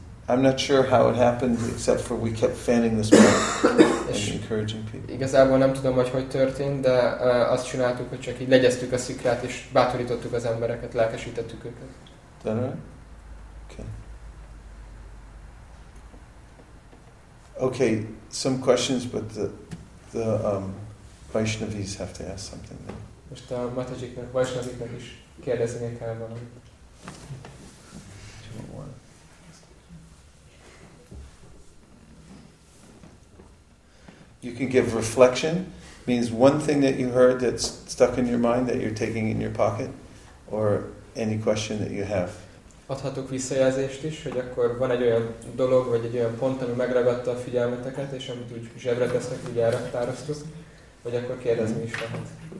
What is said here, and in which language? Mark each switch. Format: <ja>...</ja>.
<en>I'm not sure how it happened, except for we kept fanning this book and encouraging people.</en> <hu>Igazából nem tudom, hogy hogy történt, de azt csináltuk, hogy csak így legyeztük a szikrát, és bátorítottuk az embereket, lelkesítettük őket.</hu> <en>Then, okay. Okay, some questions, but the Vaishnavis have to ask something now.</en> <hu>Most a Matajiknek, Vaishnaviknek is kérdezni kell valamit.</hu> <en>You can give reflection, means one thing that you heard that's stuck in your mind that you're taking in your pocket, or any question that you have.</en> <hu>Adhatok visszajelzést is, hogy akkor van egy olyan dolog, vagy egy olyan pont, ami megragadta a figyelmeteket, és amit úgy zsebre tesznek, úgy elraktároztuk, vagy akkor kérdezni is lehet.</hu>